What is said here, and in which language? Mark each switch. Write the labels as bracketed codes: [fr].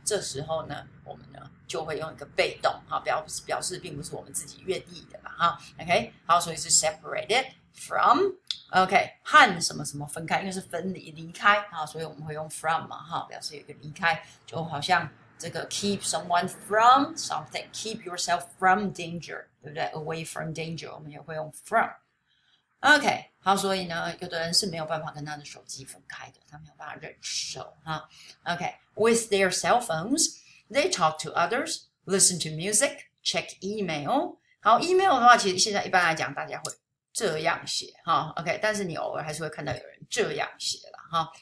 [zh] 这时候呢，我们呢就会用一个被动，哈，表示并不是我们自己愿意的嘛，哈，OK，好，所以是 separated from，OK，和什么什么分开，因为是分离、离开，哈，所以我们会用 from 嘛，哈，表示有一个离开，就好像。这个 [en] keep someone from something，keep yourself from danger， [zh] 对不对？ [en] Away from danger， [zh] 我们也会用 [en] from。 [zh] OK，好，所以呢，有的人是没有办法跟他的手机分开的，他没有办法忍受哈。 [en] OK，with their cell phones，they talk to others，listen to music，check email。 [zh] 好，email 的话，其实现在一般来讲，大家会这样写哈。 OK，但是你偶尔还是会看到有人这样写了哈。